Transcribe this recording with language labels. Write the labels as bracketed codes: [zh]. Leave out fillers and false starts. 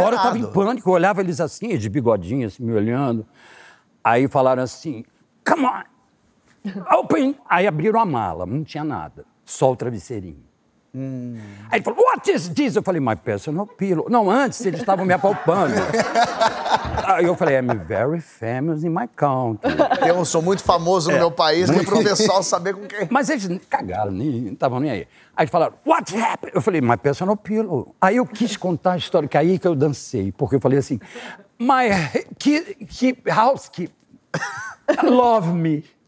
[pt] Na hora eu tava em pânico, eu olhava eles assim, de bigodinho, assim, me olhando. Aí falaram assim, [en] come on, open. [pt] Aí abriram a mala, não tinha nada, só o travesseirinho. Aí ele falou, [en] what is this? [pt] Eu falei, [en] my personal pillow. [pt] Não, antes eles estavam me apalpando. Aí eu falei, [en] I'm very famous in my country. [pt] Eu sou muito famoso no meu país, que é pro pessoal saber com quem. Mas eles cagaram, nem estavam nem aí. Aí falaram, [en] what happened? [pt] Eu falei, [en] my personal pillow. [pt] Aí eu quis contar a história, que aí que eu dancei, porque eu falei assim, [en] my housekeeper love me.